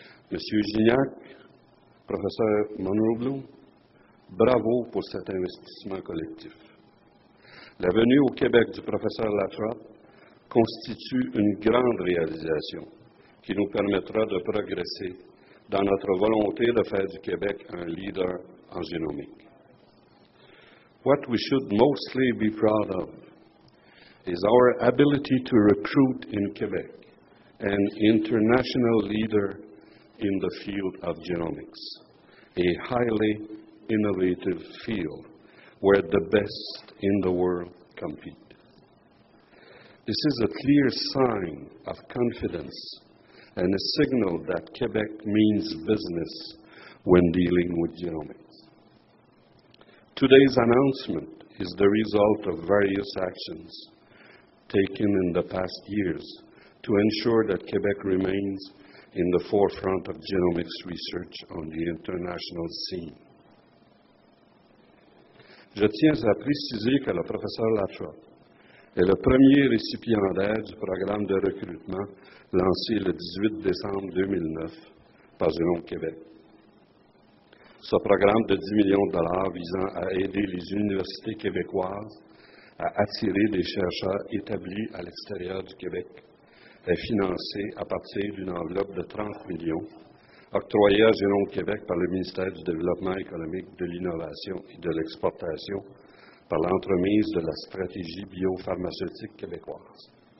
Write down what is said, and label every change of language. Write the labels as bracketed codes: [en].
[fr] Monsieur Gignac, professeur Monroe-Bloom, bravo pour cet investissement collectif. La venue au Québec du professeur Latrobe constitue une grande réalisation qui nous permettra de progresser dans notre volonté de faire du Québec un leader en génomique. [en] What we should mostly be proud of is our ability to recruit in Québec an international leader in the field of genomics, a highly innovative field where the best in the world compete. This is a clear sign of confidence and a signal that Quebec means business when dealing with genomics. Today's announcement is the result of various actions taken in the past years to ensure that Quebec remains in the forefront of genomics research on the international scene. [fr] Je tiens à préciser que le professeur Latrobe est le premier récipiendaire du programme de recrutement lancé le 18 décembre 2009 par Génome Québec. Ce programme de 10 millions de dollars visant à aider les universités québécoises à attirer des chercheurs établis à l'extérieur du Québec est financé à partir d'une enveloppe de 30 millions octroyée à Génome Québec par le ministère du Développement économique, de l'innovation et de l'exportation par l'entremise de la stratégie biopharmaceutique québécoise.